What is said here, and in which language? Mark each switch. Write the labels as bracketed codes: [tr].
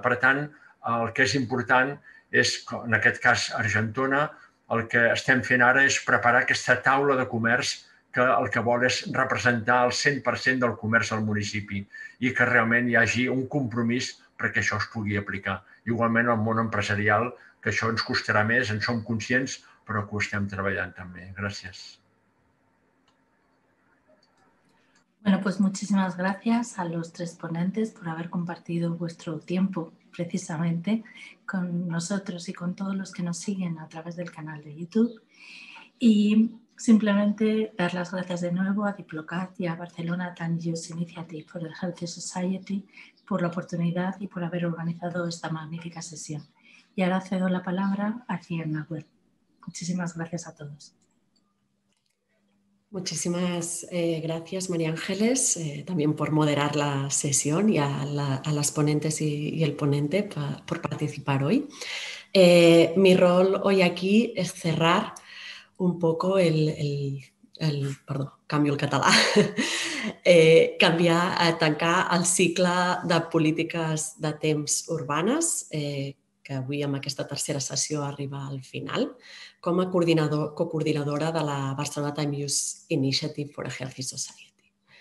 [ca] Per tant, el que és important és, en aquest cas Argentona, el que estem fent ara és preparar aquesta taula de comerç que el que vol és representar el 100% del comerç al municipi i que realment hi hagi un compromís perquè això es pugui aplicar. Igualment al món empresarial, que això ens costarà més, en som conscients, però que ho estem treballant també. Gràcies. [es] Bueno, pues muchísimas gracias a los tres ponentes por haber compartido vuestro tiempo precisamente con nosotros y con todos los que nos siguen a través del canal de YouTube. Y simplemente dar las gracias de nuevo a DIPLOCAT y a Barcelona Time Use Initiative for the Healthy Society por la oportunidad y por haber organizado esta magnífica sesión. Y ahora cedo la palabra a CronoLab. Muchísimas gracias a todos. Muchísimas gracias, María Ángeles, también por moderar la sesión y a las ponentes y el ponente por participar hoy. Mi rol hoy aquí es cerrar un poco [ca] tancar el cicle de polítiques de temps urbanes, que avui amb aquesta tercera sessió arriba al final, com a cocoordinadora de la Barcelona Time Use Initiative for a Healthy Society.